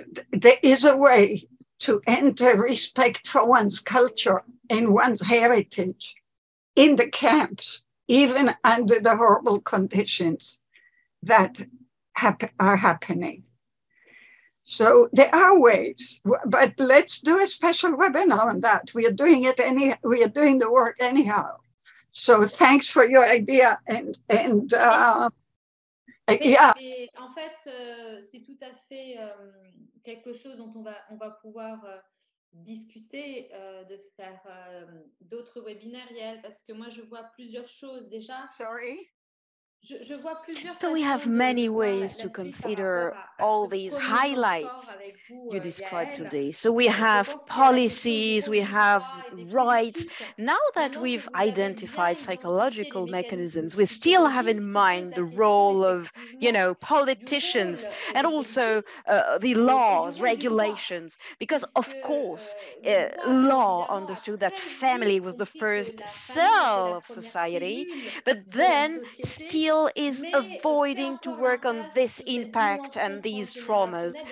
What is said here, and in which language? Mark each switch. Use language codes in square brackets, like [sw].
[en] There is a way to enter respect for one's culture and one's heritage in the camps, even under the horrible conditions that are happening. So there are ways, but let's do a special webinar on that. We are doing it we are doing the work anyhow. So thanks for your idea. [fr] En fait, c'est tout à fait quelque chose dont on va pouvoir discuter, de faire d'autres webinaires, parce que moi je vois plusieurs choses déjà. [en] Sorry. [fr] Je vois plusieurs. [en] So we have many ways to consider all these highlights you described today. So we have policies, we have rights. Now that we've identified psychological mechanisms, we still have in mind the role of, you know, politicians and also the laws, regulations, because of course, law understood that family was the first cell of society, but then still is avoiding to work on this impact and these traumas.